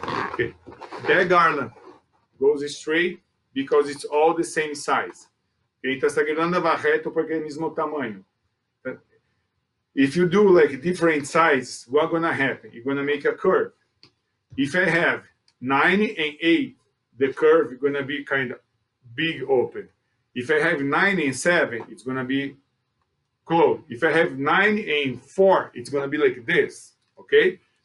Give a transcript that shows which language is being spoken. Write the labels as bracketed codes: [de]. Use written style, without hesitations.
[en] Ok, that garland goes straight because it's all the same size. Okay? [pt] Então essa garlanda vai reto porque é o mesmo tamanho. [en] If you do like different size, what's going to happen? You're going to make a curve. If I have 9 and 8, the curve is going to be kind of big open. If I have 9 and 7, it's going to be closed. If I have 9 and 4, it's going to be like this, okay?